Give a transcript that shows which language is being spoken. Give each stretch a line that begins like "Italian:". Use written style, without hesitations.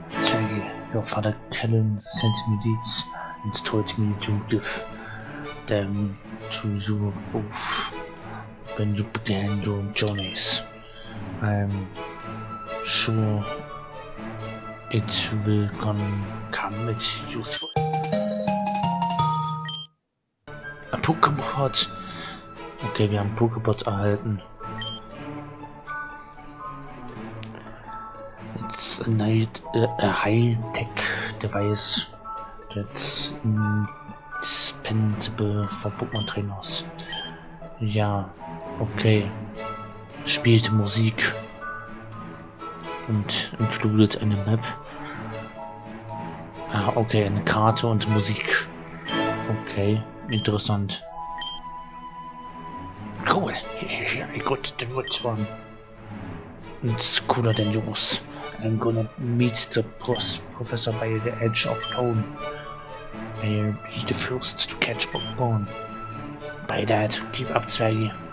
English: Zwangy, your father Kellen sent me these and told me to give them to you both when you began your journeys. I'm sure it will come with useful. Pokébot!
German: Okay, wir haben Pokébot erhalten.
English: It's a high-tech device that's indispensable for Pokémon Trainers.
German: Ja, okay. Spielt Musik und included eine Map. Ah, okay, eine Karte und Musik. Okay, interessant.
English: Cool, I got the good one. It's cooler than yours. I'm gonna meet the professor by the edge of town. I'll be the first to catch Bogborn. By that, keep up, Zwergi.